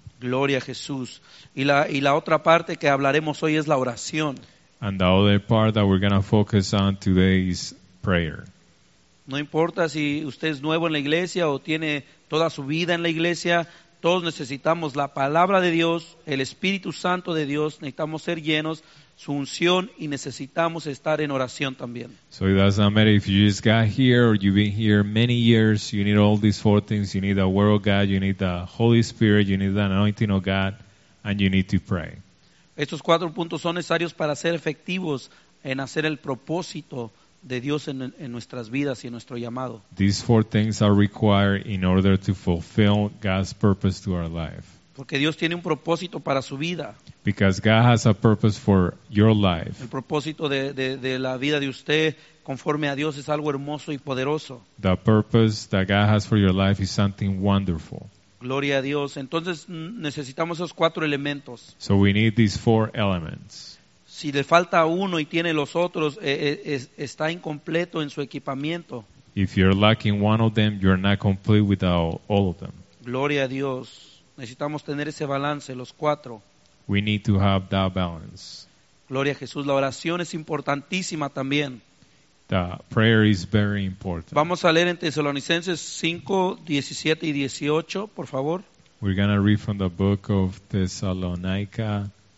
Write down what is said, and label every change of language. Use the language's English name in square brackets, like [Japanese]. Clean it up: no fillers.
[Spanish] Gloria a Jesús. Y la otra parte que hablaremos hoy es la oración. [English] And the other part that we're going to focus on today is prayer. [Spanish] No importa si usted es nuevo en la iglesia o tiene toda su vida en la iglesia, todos necesitamos la palabra de Dios, el Espíritu Santo de Dios, necesitamos ser llenos, su unción y necesitamos estar en oración también. [English] So it does not matter if you just got here or you've been here many years, you need all these four things. You need the Word of God, you need the Holy Spirit, you need the anointing of God, and you need to pray. [Spanish] Estos cuatro puntos son necesarios para ser efectivos en hacer el propósito de Dios en nuestras vidas y en nuestro llamado. [English] These four things are required in order to fulfill God's purpose to our life. [Spanish] Porque Dios tiene un propósito para su vida. [English] Because God has a purpose for your life. [Spanish] El propósito de la vida de usted conforme a Dios es algo hermoso y poderoso. [English] The purpose that God has for your life is something wonderful. [Spanish] Gloria a Dios. Entonces necesitamos esos cuatro elementos. [English] So we need these four elements. [Spanish] Si le falta uno y tiene los otros, está incompleto en su equipamiento. [English] If you're lacking one of them, you're not complete without all of them. [Spanish] Gloria a Dios. Necesitamos tener ese balance, los cuatro. [English] We need to have that balance. [Spanish] Gloria a Jesús. La oración es importantísima también. [English] The prayer is very important. [Spanish] Vamos a leer en Tesalonicenses 5, 17 y 18, por favor. [English] We're going to read from the book of Thessalonica.